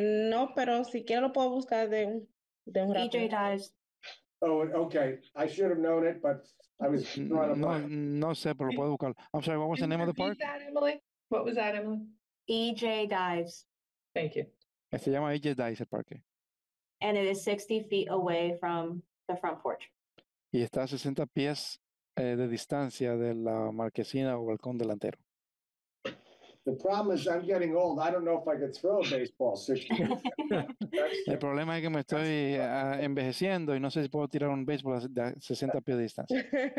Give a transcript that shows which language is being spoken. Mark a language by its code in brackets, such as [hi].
[es] No, pero si quiero lo puedo buscar de un rato. DJ Dives. [en] Oh, okay. I should have known it, but I was [es] no, no sé, pero puedo buscar. [en] I'm sorry, what was the name of the park? That, Emily? What was that, Emily? EJ Dives. Thank you. [es] Se llama EJ Dives el parque. [en] And it is 60 feet away from the front porch. [es] Y está a 60 pies de distancia de la marquesina o balcón delantero. [en] The problem is I'm getting old. I don't know if I could throw a baseball 60 feet. [es] El problema es que me estoy envejeciendo y no sé si puedo tirar un baseball a 60 pies de distancia.